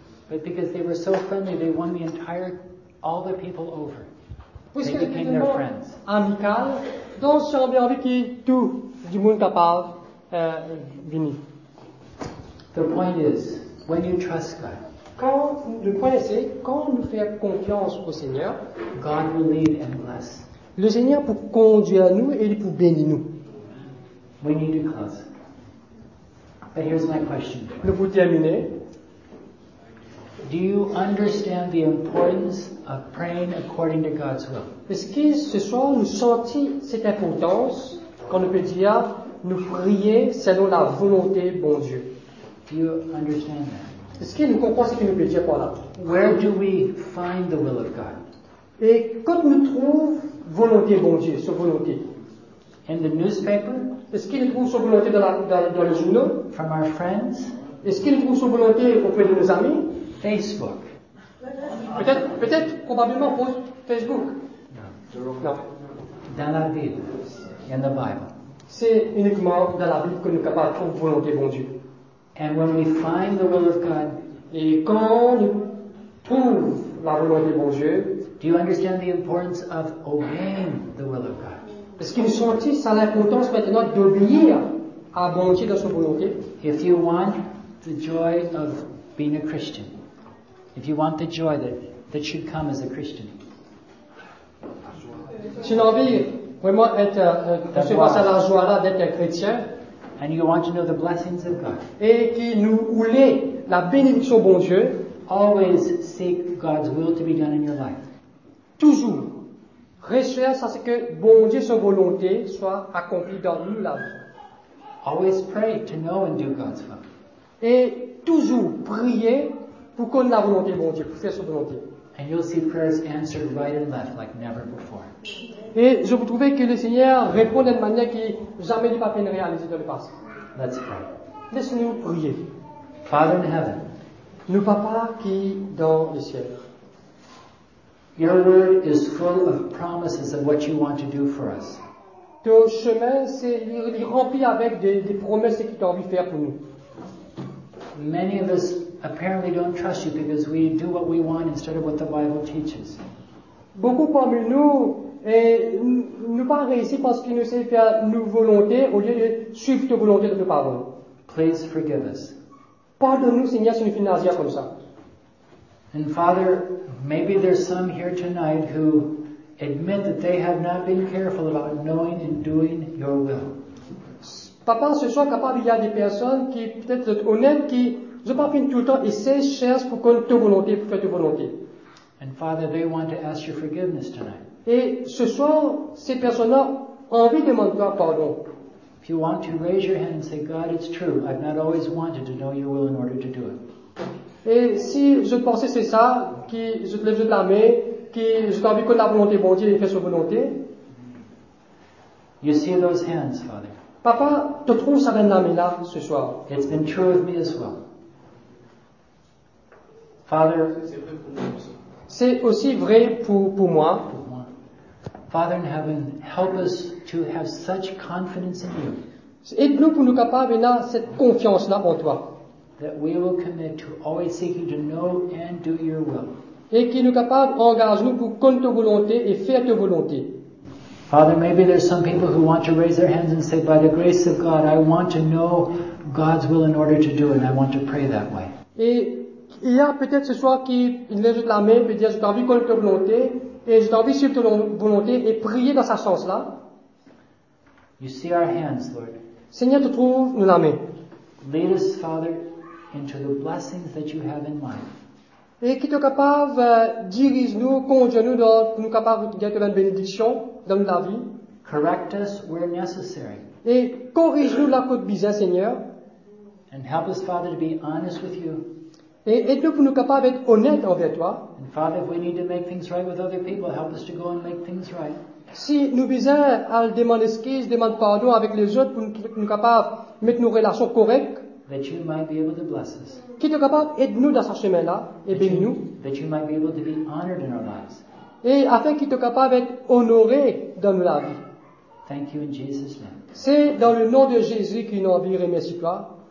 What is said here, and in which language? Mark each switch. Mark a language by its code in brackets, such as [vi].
[en] But because they were so friendly, they won the entire, all the people over. [fr] Parce [en] they became their friends. [fr] Amical, donc j'ai envie que tout du monde qui parle vienne. [en] The point is, when you trust God, [fr] quand, le point c'est, quand nous faisons confiance au Seigneur, [en] God will lead and bless. [fr] Le Seigneur pour conduire à nous et pour bénir nous. [en] We need to close. But here's my question. [fr] Nous pour terminer. [en] Do you understand the importance of praying according to God's will? [fr] Est-ce que ce soir nous sentons cette importance quand on peut dire nous prier selon la volonté de bon Dieu? [en] Do you understand that? [fr] Est-ce qu'il nous comprend ce qu'il nous peut dire par là? [en] Where do we find the will of God? [fr] Et quand nous trouvons volonté, bon Dieu, sa volonté? [en] In the newspaper? [fr] Est-ce qu'il nous trouve sa volonté dans les journaux? [en] From our friends? [fr] Est-ce qu'il nous trouve sa volonté auprès de nos amis? [en] Facebook. [fr] Peut-être, probablement pour Facebook. Non. Dans la Bible. [en] In the Bible. [fr] C'est uniquement dans la Bible que nous sommes capables de trouver volonté, bon Dieu. [en] And when we find the will of God, [fr] et quand on trouve la volonté de bon Dieu, [en] do you understand the importance of obeying the will of God? [fr] Est-ce que vous sentez ça l'importance maintenant d'obéir à bon Dieu dans sa volonté? [en] If you want the joy of being a Christian, if you want the joy that should come as a Christian, [fr] si on a envie vraiment être recevoir ça la joie là d'être un chrétien. [en] And you want to know the blessings of God. [fr] Et qui nous voulait la bénédiction bon Dieu. [en] Always seek God's will to be done in your life. [fr] Toujours recherche à ce que bon Dieu sa volonté soit accomplie dans nous la vie. [en] Always pray to know and do God's will. [fr] Et toujours prier pour connaître la volonté bon Dieu, pour faire sa volonté. [en] And you'll see prayers answered right and left like never before. [fr] Et je vous trouvais que le Seigneur répond d'une manière qui jamais n'est pas peine réalisée dans le passé. [en] Let's pray. [fr] Laisse-nous prier. [en] Father in heaven. [fr] Nous papa qui dans le ciel. [en] Your word is full of promises of what you want to do for us. [fr] Ton chemin, c'est rempli avec des promesses que tu as envie de faire pour nous. [en] Many of us apparently don't trust you because we do what we want instead of what the Bible teaches. [fr] Beaucoup parmi nous et nous pas réussir parce qu'il nous sait faire nos volontés au lieu de suivre ta volonté de nos parents. [en] Please forgive us. [fr] Pardonne-nous, Seigneur, si nous faisons rien comme ça. [en] And Father, maybe there's some here tonight who admit that they have not been careful about knowing and doing your will. [fr] Papa, ce soir, capable, il y a des personnes qui, peut-être honnêtes, qui n'ont pas fini tout le temps et se cherchent pour qu'on te volonté, pour faire ta volonté. [en] And Father, they want to ask your forgiveness tonight. [fr] Et ce soir, ces personnes-là ont envie de demander pardon. [en] If you want to raise your hand and say, God, it's true, I've not always wanted to know your will in order to do it. [fr] Et si je pensais c'est ça, que je te lève la main, que je t'envie que la volonté de bon Dieu fait sa volonté. [en] You see those hands, Father. [fr] Papa, te trouves avec la main là ce soir. [en] It's been true of me as well. Father, [fr] c'est aussi vrai pour moi. [en] Father in heaven, help us to have such confidence in you. [fr] Aide-nous pour nous capables d'avoir cette confiance-là en toi. [en] That we will commit to always seeking to know and do your will. [fr] Et qui nous capables engage-nous pour connaître ta volonté et faire ta volonté. [en] Father, maybe there's some people who want to raise their hands and say, by the grace of God, I want to know God's will in order to do it, and I want to pray that way. [fr] Et il y a peut-être ce soir qui lève la main et dit, j'ai envie de connaître ta volonté. Et j'ai envie de suivre ta volonté et prier dans ce sens-là. [en] You see our hands, Lord. [fr] Seigneur, te trouve-nous la main. [en] Lead us, Father, into the blessings that you have in mind. [fr] Et qui te capable, dirige-nous, conduis-nous, pour nous capable de garder une bénédiction dans la vie. [en] Correct us where necessary. [fr] Et corrige-nous là côté bizarre, Seigneur. [en] And help us, Father, to be honest with you. [fr] Et aide-nous pour nous capables d'être honnêtes envers toi. [en] And Father, if we need to make things right with other people, help us to go and make things right. [fr] Si nous besoin à demander excuse, demande pardon avec les autres pour nous capables de mettre nos relations correctes. [en] That you might be able to bless us. [fr] Qui te capable aide-nous dans ce chemin-là et bénis-nous. [en] That you might be able to be honored in our lives. [fr] Et afin qu'il te capable d'être honoré dans nos vies. [en] Thank you in Jesus' name. [fr] C'est dans le nom de Jésus qu'il nous envie remercie toi.